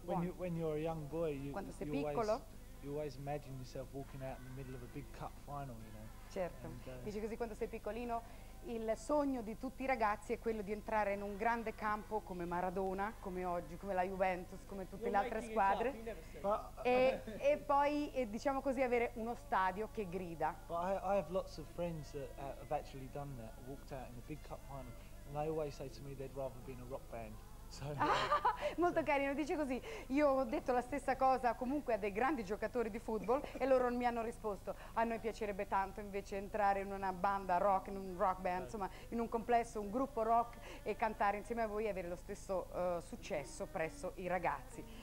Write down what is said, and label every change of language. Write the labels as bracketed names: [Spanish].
[Italian] Quando sei piccolo, [English] you always imagine yourself walking out in the middle of a big cup final, you know. [Italian] Certo. Dice così, quando sei piccolino, il sogno di tutti i ragazzi è quello di entrare in un grande campo come Maradona, come oggi, come la Juventus, come tutte le altre squadre. E poi, diciamo così, avere uno stadio che grida. [English] But I have lots of friends that have actually done that, walked out in a big cup final, and they always say to me they'd rather be in a rock band. [Italian] Molto carino, dice così. Io ho detto la stessa cosa comunque a dei grandi giocatori di football e loro mi hanno risposto: a noi piacerebbe tanto invece entrare in una banda rock, in un rock band, insomma, in un complesso, un gruppo rock e cantare insieme a voi e avere lo stesso successo presso i ragazzi.